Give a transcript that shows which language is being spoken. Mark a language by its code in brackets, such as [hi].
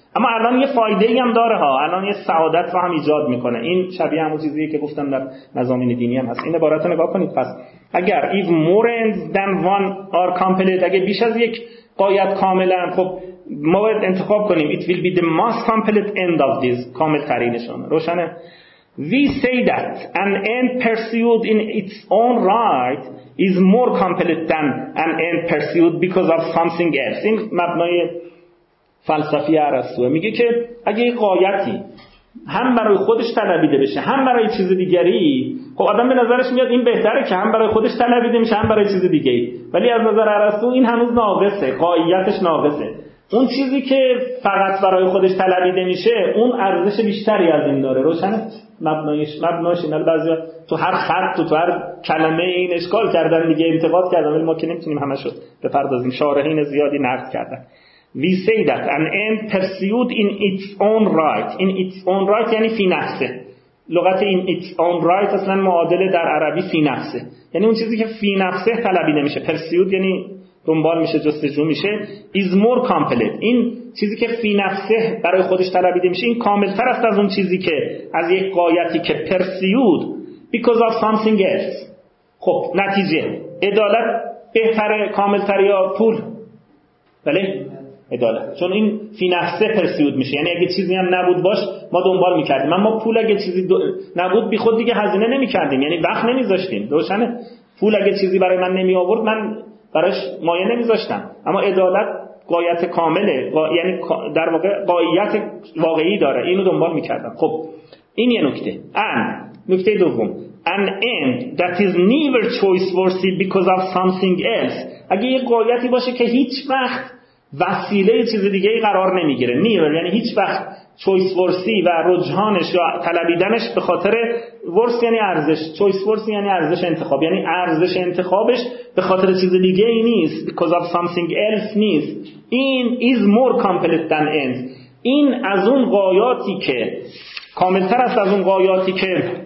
[fa] اما الان یه فایده ای هم داره ها، الان یه سعادت رو هم ایجاد میکنه. این شبیه همون چیزی که گفتم در مضامین دینی هم هست. این عبارت رو نگاه کنید، پس اگر [en] if more ends than one are complete، [fa] اگه بیش از یک قایت کاملا، خب ما باید انتخاب کنیم، [en] it will be the most complete end of this، [fa] کامل ترینشان. [en] روشنه؟ We say that an end pursued in its own right is more complete than an end pursued because of something else. [fa] این مبنای فلسفی ارسطوه میگه که اگه یه غایتی هم برای خودش طلبیده بشه هم برای چیز دیگری، خب آدم به نظرش میاد این بهتره که هم برای خودش طلبیده میشه هم برای چیز دیگری، ولی از نظر ارسطو این هنوز ناقصه، غایتش ناقصه. اون چیزی که فقط برای خودش طلبیده میشه اون ارزش بیشتری از این داره. روشنه؟ مبنایش اینه. بعضی تو هر خط تو هر کلمه این اشکال کردن دیگه، انتقاد کردن، ولی ما که نمیتونیم همه شد بپردازیم. شارحین زیادی نقد کردن. [en] We say that an end pursued in its own right. In its own right [fa] یعنی فی نفسه. لغت این [en] its own right [fa] اصلا معادله در عربی فی نفسه، یعنی اون چیزی که فی نفسه طلبیده میشه. pursued یعنی دنبال میشه، جستجو میشه. [en] is more complete، [fa] این چیزی که فی نفسه برای خودش طلبیده میشه، این کاملتر است از اون چیزی که، از یک غایتی که [en] pursued because of something else. [fa] خب نتیجه عدالت بهتر، کاملتر یا پول؟ بله عدالت، چون این فی نفسه پرسیود میشه، یعنی اگه چیزی هم نبود باش ما دنبال میکردیم. اما پول اگه چیزی نبود بی خود دیگه هزینه نمیکردیم، یعنی وقت نمیذاشتیم. روشنه؟ پول اگه چیزی برای من نمی آورد من براش مایه نمیذاشتم. اما عدالت غایت کامله، یعنی در واقع غایت واقعی داره، اینو دنبال میکردم. خب این یه نکته. [en] and [fa] نکته دوم، [en] an end that is never choice worthy because of something else. [fa] اگه یه غایتی باشه که هیچ وقت وسیله چیز دیگه ای قرار نمیگیره، نیور یعنی هیچ وقت، چویس ورسی و رجحانش یا طلبیدنش به خاطر، ورس یعنی ارزش، چویس ورسی یعنی ارزش انتخاب، یعنی ارزش انتخابش به خاطر چیز دیگه ای نیست، [en] because of something else [fa] نیست، این [en] is more complete than end، [fa] این از اون غایاتی که کاملتر است از اون غایاتی که